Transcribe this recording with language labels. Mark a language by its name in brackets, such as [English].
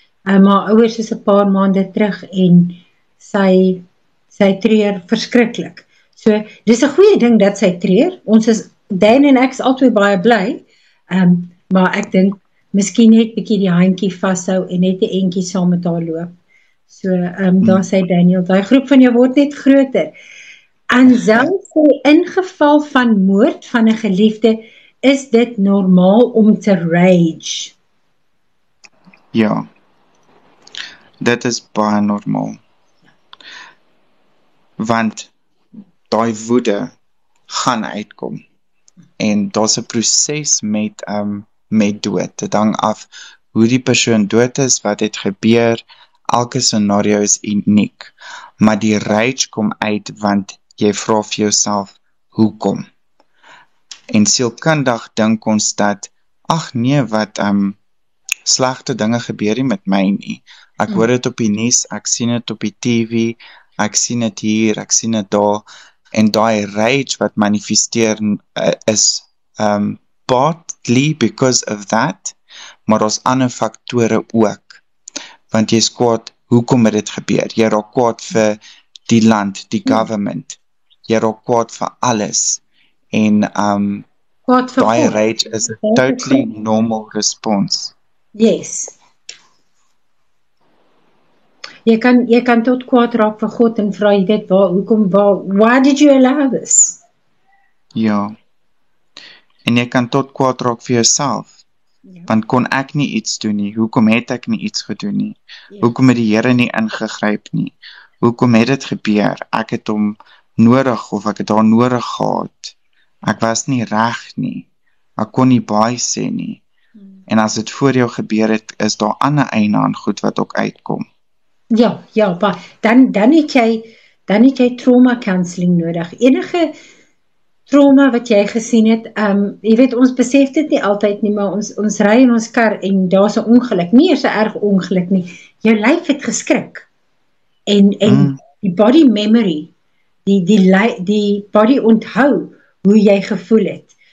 [Afrikaans] Maar ouers is 'n paar maande terug en sy treur verskriklik. So dis 'n goeie ding dat sy treur. Ons is Dayne en ek is altoe baie bly. Maar ek dink miskien net 'n bietjie die handjie vashou en net 'n entjie saam met haar loop. So, daar sê Daniel, die groep van jou word net groter. En zelfs in geval van moord van een geliefde, is dit normaal om te rage? Ja, dit is baie normaal. Want die woede gaan uitkom. En daar is een proces met dood. Dit hang af hoe die persoon dood is, wat het gebeur, elke scenario is uniek, maar die rage kom uit, want jy vra vir jouself, hoekom? En sielkundig dink ons dat, ag nee, wat slegte dinge gebeur hier met my nie. Ek hoor het op die nuus, ek sien het op die TV, ek sien het hier, ek sien het daar, en die rage wat manifesteer is [English] partly because of that, [Afrikaans] maar daar's ander faktore ook, want jy is kwaad hoekom het dit gebeur. Jy raak kwaad vir die land, die government. Jy raak kwaad vir alles. En kwaad vir die God. [English] Rage is a totally normal response. Yes. [Afrikaans] Jy kan tot kwaad raak vir God en vra jy dit, [English] why did you allow this? [Afrikaans] Ja. En jy kan tot kwaad raak vir jouself. Ja. Want kon ek nie iets doen nie? Hoekom het ek nie iets gedoen nie? Ja. Hoekom het die Here nie ingegryp nie? Hoekom het dit gebeur? Ek het hom nodig of ek het haar nodig gehad. Ek was nie reg nie. Ek kon nie baie sê nie. En as dit voor jou gebeur het, is daar ander eiena aan goed wat ook uitkom. Ja, ja, maar dan het jy trauma counseling nodig. Enige trauma wat jy gesien het, jy weet, ons besef dit nie altyd nie, maar ons ry in ons kar en daar is 'n ongeluk, nie so erg ongeluk nie. Jou lyf het geskrik. En die body memory, die body onthou hoe jy gevoel het.